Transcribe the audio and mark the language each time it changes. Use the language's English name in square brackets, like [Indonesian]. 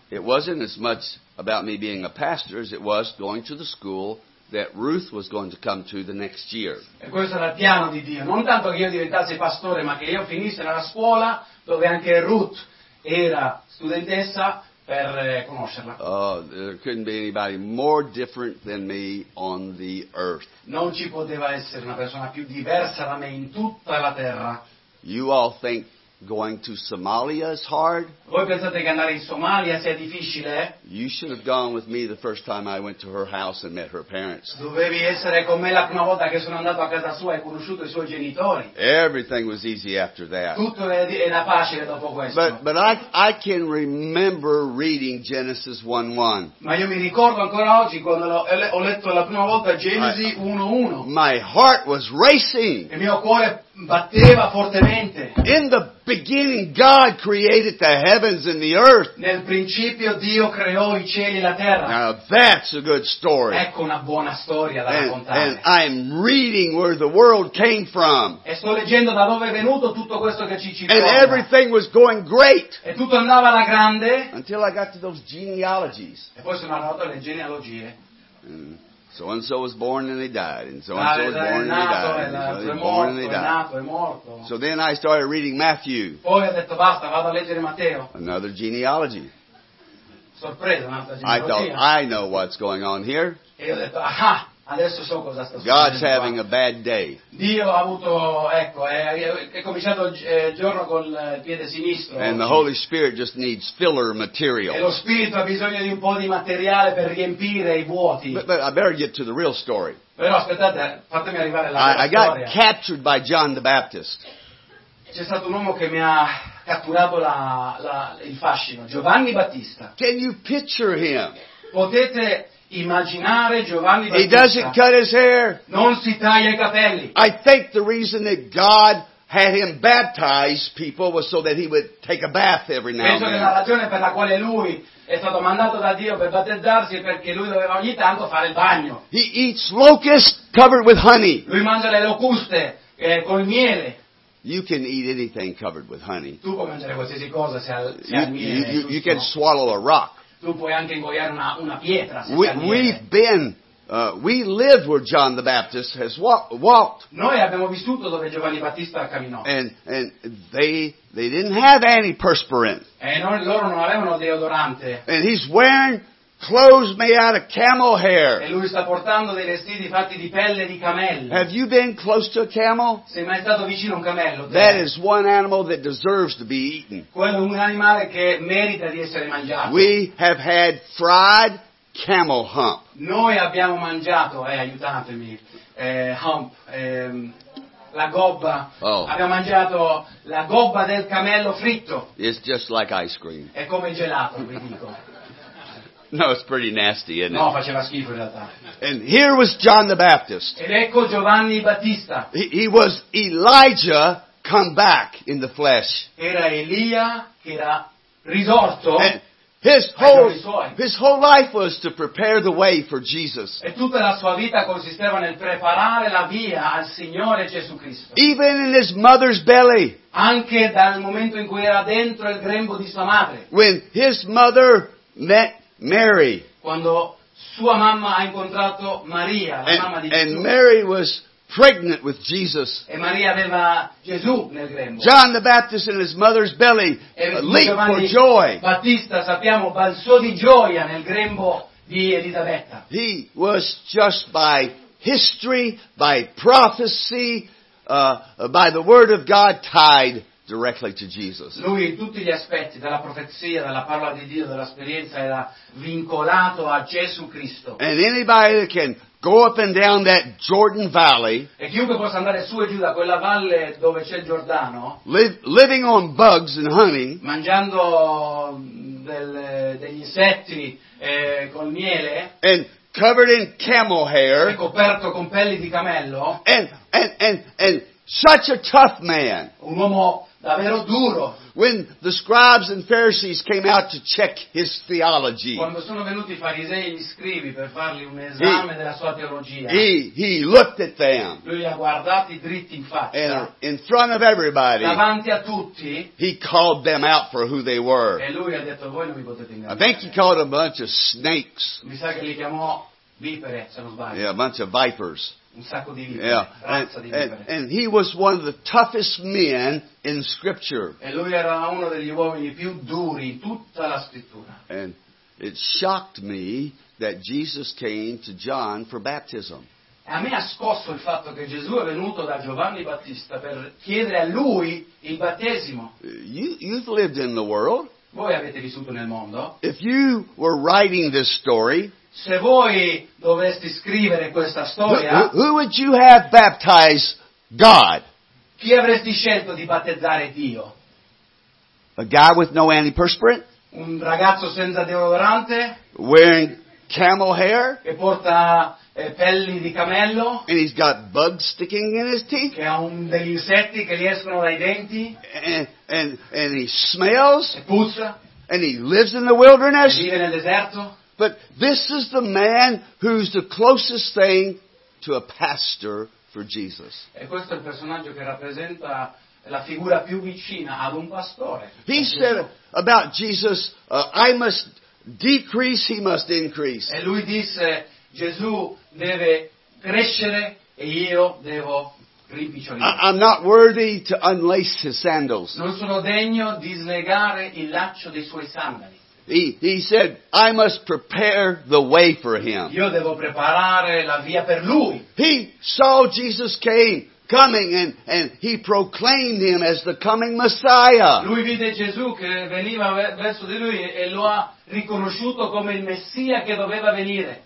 [English] It wasn't as much about me being a pastor as it was going to the school that Ruth was going to come to the next year. [Italian] E questo era il piano di Dio, non tanto che io diventassi pastore, ma che io finissi nella scuola dove anche Ruth era studentessa per conoscerla. [English] There couldn't be anybody more different than me on the earth. [Italian] Non ci poteva essere una persona più diversa da me in tutta la terra. [English] You all think going to Somalia is hard? [Italian] Voi pensate che andare in Somalia sia difficile? [English] You should have gone with me the first time I went to her house and met her parents. [Italian] Dovevi essere con me la prima volta che sono andato a casa sua e conosciuto i suoi genitori. [English] Everything was easy after that. [Italian] Tutto era facile dopo questo. [English] But I can remember reading Genesis 1:1. [Italian] Ma io mi ricordo ancora oggi quando ho letto la prima volta Genesi 1:1. [English] My heart was racing. [Italian] Il mio cuore batteva fortemente. [English] In the beginning God created the heavens and the earth. [Italian] Nel principio Dio creò i cieli e la terra. [English] Now that's a good story. [Italian] Ecco una buona storia da raccontare. [English] And I'm reading where the world came from. [Italian] E sto leggendo da dove è venuto tutto questo che ci circonda. [English] And everything was going great. [Italian] E tutto andava alla grande. [English] Until I got to those genealogies. [Italian] E poi sono arrivato alle genealogie. [English] So and so was born and they died, and so and so was born and they died, and so they born and they died. So then I started reading Matthew. [Italian] Poi ho detto basta, vado a leggere Matteo. [English] Another genealogy. [Italian] Sorpresa, un'altra genealogia. [English] I thought I know what's going on here. [Italian] E ho detto aha, adesso so cosa sta succedendo. [English] God's having a bad day. [Italian] Dio ha avuto, ecco, è cominciato il giorno col piede sinistro. [English] And the Holy Spirit just needs filler material. [Italian] E lo Spirito ha bisogno di un po' di materiale per riempire i vuoti. [English] But I better get to the real story. [Italian] Però aspettate, fatemi arrivare alla storia. [English] I got captured by John the Baptist. [Italian] C'è stato un uomo che mi ha catturato il fascino, Giovanni Battista. [English] Can you picture him? [Italian] Potete immaginare Giovanni Battista. [English] He doesn't cut his hair. [Italian] Non si taglia i capelli. [English] I think the reason that God had him baptize people was so that he would take a bath every now and then. [Italian] Penso che la ragione per la quale lui è stato mandato da Dio per battezzarsi è perché lui doveva ogni tanto fare il bagno. [English] He eats locusts covered with honey. [Italian] Lui mangia le locuste col miele. [English] You can eat anything covered with honey. [Italian] Tu puoi mangiare qualsiasi cosa se al miele. [English] You can swallow a rock. [Italian] Tu puoi anche ingoiare una pietra. [English] We live where John the Baptist has walked. [Italian] Noi abbiamo vissuto dove Giovanni Battista camminò. [English] And they didn't have any perspirant. [Italian] E loro non avevano deodorante. [English] And he's wearing clothes made out of camel hair. [Italian] E lui sta portando dei vestiti fatti di pelle di camello. [English] Have you been close to a camel? [Italian] Sei mai stato vicino a un camello? [English] That is one animal that deserves to be eaten. [Italian] Quello è un animale che merita di essere mangiato. [English] We have had fried camel hump. [Italian] Noi abbiamo mangiato, aiutatemi, hump, la gobba. Oh. Abbiamo mangiato la gobba del camello fritto. [English] It's just like ice cream. [Italian] È come il gelato, vi dico. [English] No, it's pretty nasty, isn't it? [Italian] No, faceva schifo in realtà. [English] And here was John the Baptist. [Italian] Ed ecco Giovanni Battista. [English] He was Elijah come back in the flesh. [Italian] Era Elia che era risorto. [English] And his whole life was to prepare the way for Jesus. [Italian] E tutta la sua vita consisteva nel preparare la via al Signore Gesù Cristo. [English] Even in his mother's belly. [Italian] Anche dal momento in cui era dentro il grembo di sua madre. [English] When his mother met Mary. [Italian] Quando sua mamma ha incontrato Maria, la mamma di Gesù. [English] And Mary was pregnant with Jesus. [Italian] E Maria aveva Gesù nel grembo. [English] John the Baptist in his mother's belly leaped for joy. [Italian] Battista, sappiamo, balzò di gioia nel grembo di Elisabetta. [English] He was just by history, by prophecy, by the word of God tied directly to Jesus. [Italian] Lui in tutti gli aspetti della profezia, della parola di Dio, dell'esperienza era vincolato a Gesù Cristo. [English] And anybody that can go up and down that Jordan Valley. [Italian] E chiunque possa andare su e giù da quella valle dove c'è il Giordano. [English] Living on bugs and honey. [Italian] Mangiando degli insetti col miele. [English] And covered in camel hair. [Italian] E coperto con pelli di camello. [English] And such a tough man. [Italian] Un uomo davvero duro. [English] When the scribes and Pharisees came out to check his theology. [Italian] Quando sono venuti i farisei e gli scribi per fargli un esame della sua teologia. [English] He looked at them. [Italian] Lui li ha guardati dritti in faccia. [English] And in front of everybody. [Italian] Davanti a tutti. [English] He called them out for who they were. [Italian] E lui ha detto voi non mi potete ingannare. [English] I think he called a bunch of snakes. [Italian] Mi sa che li chiamò vipere, se non sbaglio. [English] Yeah, a bunch of vipers. [Italian] Un sacco di vipere, yeah, [English] and he was one of the toughest men in Scripture. [Italian] E lui era uno degli uomini più duri in tutta la Scrittura. [English] And it shocked me that Jesus came to John for baptism. [Italian] A me ha scosso il fatto che Gesù è venuto da Giovanni Battista per chiedere a lui il battesimo. [English] You've lived in the world. [Italian] Voi avete vissuto nel mondo. [English] If you were writing this story. [Italian] Se voi doveste scrivere questa storia, [English] who would you have baptized God? [Italian] Chi avresti scelto di battezzare Dio? [English] A guy with no antiperspirant? [Italian] Un ragazzo senza deodorante? [English] Wearing camel hair? [Italian] Che porta pelli di camello? [English] And he's got bugs sticking in his teeth? [Italian] Che ha degli insetti che gli escono dai denti? [English] And he smells? [Italian] E puzza? [English] And he lives in the wilderness? [Italian] E vive nel deserto? [English] But this is the man who's the closest thing to a pastor for Jesus. [Italian] E questo è il personaggio che rappresenta la figura più vicina ad un pastore. [English] He said about Jesus, I must decrease, he must increase. [Italian] E lui disse, Gesù deve crescere e io devo rimpicciolire. [English] I'm not worthy to unlace his sandals. [Italian] Non sono degno di slegare il laccio dei suoi sandali. [English] He said, I must prepare the way for him. [Italian] Io devo preparare la via per lui. [English] He saw Jesus coming and he proclaimed him as the coming Messiah. [Italian] Lui vide Gesù che veniva verso di lui e lo ha riconosciuto come il Messia che doveva venire.